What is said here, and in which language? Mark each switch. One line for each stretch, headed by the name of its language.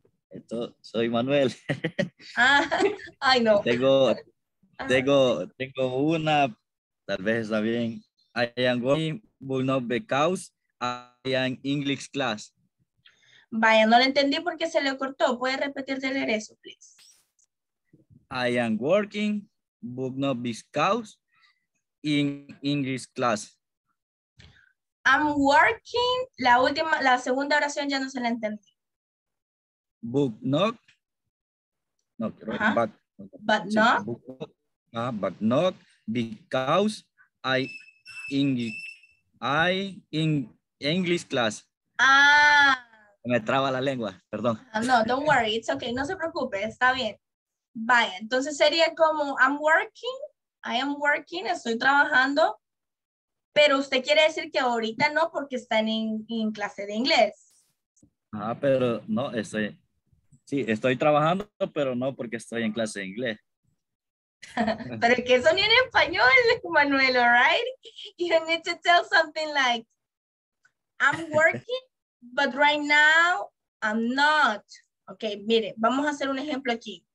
Spanish: Esto, soy Manuel.
English: I know.
Spanish: Tengo una. Tal vez está bien.
English: I am going, but not because I am English class.
Spanish: Vaya, no lo entendí porque se le cortó. ¿Puede repetir de leer eso,
English: please? I am working, but not because in English class. I'm working,
Spanish: la última, la segunda oración ya no se la entendí.
English: But not No, uh-huh. But not? But not because I in English class. Ah.
Spanish: Me traba la lengua, perdón.
English: No, don't worry, it's okay,
Spanish: no se preocupe, está bien. Vaya, entonces sería como
English: I am working,
Spanish: estoy trabajando, pero usted quiere decir que ahorita no porque está en clase de inglés. Ah, pero no, estoy, sí, estoy trabajando, pero no porque estoy en clase de inglés. Pero que eso ni en español, Manuel,
English: right? You need to tell something like, I'm working, but right now I'm not.
Spanish: Okay, mire, vamos a hacer un ejemplo aquí.